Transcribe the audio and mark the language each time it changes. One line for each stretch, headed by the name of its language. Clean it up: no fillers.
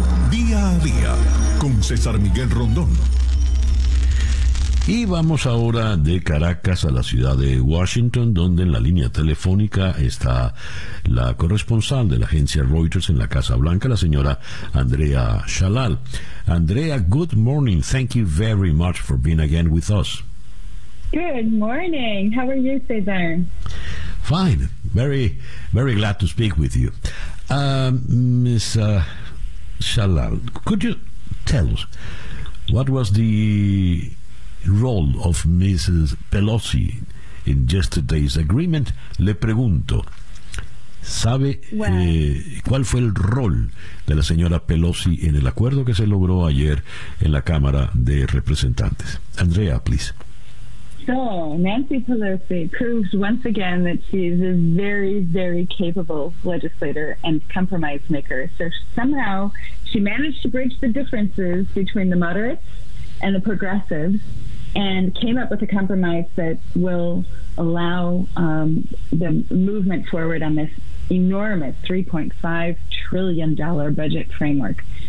Spanish: Día a día con César Miguel Rondón. Y vamos ahora de Caracas a la ciudad de Washington, donde en la línea telefónica está la corresponsal de la agencia Reuters en la Casa Blanca, la señora Andrea Shalal.
English: Andrea, good morning. Thank you very much for being again with us. Good morning. How are you, Cesar? Fine. Very, very glad to speak with you. Ms. Shalal, could you tell us what was the role of Mrs. Pelosi in yesterday's agreement?
Spanish: Le pregunto, ¿sabe cuál fue el rol de la señora Pelosi en el acuerdo que se logró ayer en la Cámara de Representantes?
English: Andrea, please. So, Nancy Pelosi proves once again that she is a very, very capable legislator and compromise maker. So, somehow, she managed to bridge the differences between the moderates and the progressives and came up with a compromise that will allow the movement forward on this enormous $3.5 trillion budget framework.